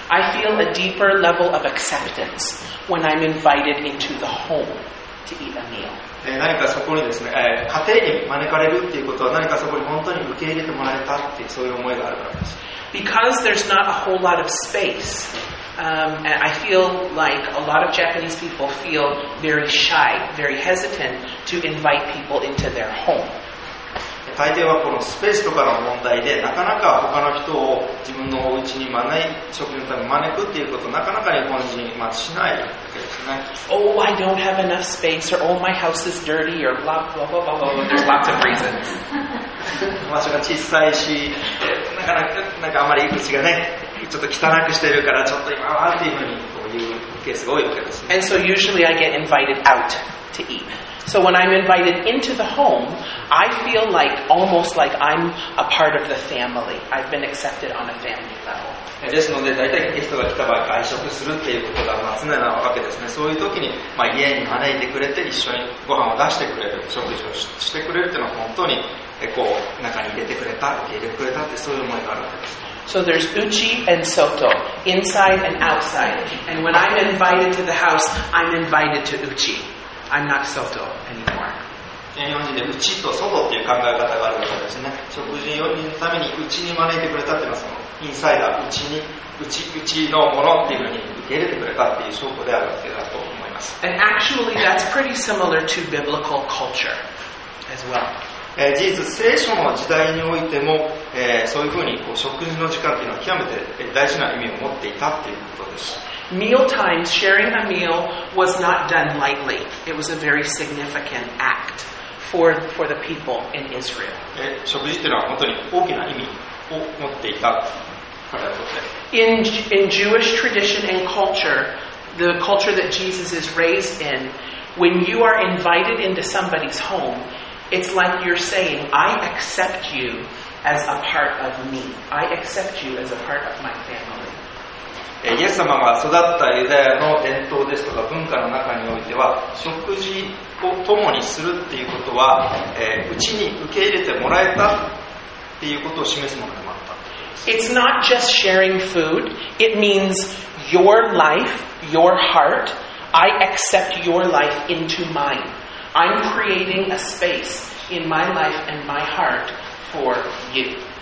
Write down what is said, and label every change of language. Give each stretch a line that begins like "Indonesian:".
English: I feel a deeper level of acceptance when I'm invited into the home to eat a meal.
Japanese: 何かそこにですね、家庭に招かれるっていうことは何かそこに本当に受け入れてもらえたっていうそういう思いがあるからです。
English: Because there's not a whole lot of space, and I feel like a lot of Japanese people feel very shy, very hesitant to invite people into their home.
Japanese: 大抵はこのスペースとかの問題でなかなか他の人を自分のお家に招い食事のために招くっていうことなかなか日本人に、まあ、しないわけですね。
English: Oh, I don't have enough space or oh, my house is dirty or blah, blah, blah, blah, blah. There's lots of reasons.
Japanese: 場所が小さいしなかなかなんかあまり口がねちょっと汚くしてるからちょっと今はっていうふうにこういうケースが多いわけですね。
English: And so usually I get invited out to eatSo when I'm invited into the home, I feel like almost like I'm a part of the family. I've been accepted on a family level.
Japanese: ですので、大体ゲストが来た場合、外食するっていうことが常なわけですね。そういう時に、まあ、家に招いてくれて、一緒にご飯を出してくれる、食事をしてくれるっていうのは本当にこう中に入れてくれたって、そういう思いがあるわけです。
English: So there's uchi and soto, inside and outside. And when I'm invited to the house, I'm invited to uchi. I'm not soto anymore.
Japanese: 日本人でうちと外っていう考え方があるわけですね。食事のためにうちに招いてくれたっていうのはそのインサイダー、うちに、うちのものっていうふうに受け入れてくれたっていう証拠であるわけだと思います。
English: And actually that's pretty similar to biblical culture as well.
Japanese: 事実、聖書の時代においても、そういうふうにこう食事の時間っていうのは極めて大事な意味を持っていたっていうことです。
English: Meal times, sharing a meal was not done lightly. It was a very significant act for the people in Israel.
Japanese: 食事というのは本当に大きな意味を持っていた彼らにとって。
English: In Jewish tradition and culture, the culture that Jesus is raised in, when you are invited into somebody's home, it's like you're saying, I accept you as a part of me. I accept you as a part of my family.
Japanese: イエス様が育ったユダヤの伝統ですとか文化の中においては食事を共にするっていうことはうちに受け入れてもらえたっていうことを示すものでもあった。
English: It's not just sharing food. It means your life, your heart. I accept your life into mine. I'm creating a space in my life and my heart for you.